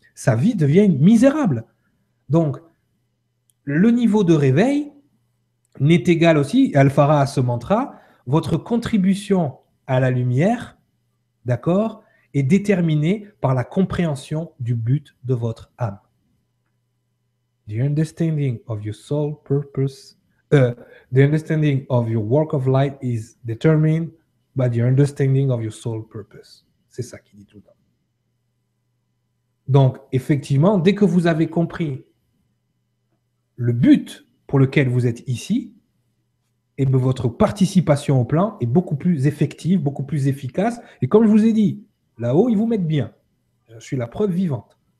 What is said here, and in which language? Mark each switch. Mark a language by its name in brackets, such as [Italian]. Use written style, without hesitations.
[French] Sa vie devient misérable. Donc, le niveau de réveil n'est égal aussi, Alphara a ce mantra, votre contribution à la lumière, d'accord, est déterminée par la compréhension du but de votre âme. [English] The understanding of your soul purpose, the understanding of your work of light is determined by the understanding of your soul purpose. [French] C'est ça qu'il dit tout le temps. Donc, effectivement, dès que vous avez compris le but pour lequel vous êtes ici, et bien votre participation au plan est beaucoup plus effective, beaucoup plus efficace. Et comme je vous ai dit, là-haut, ils vous mettent bien. Je suis la preuve vivante.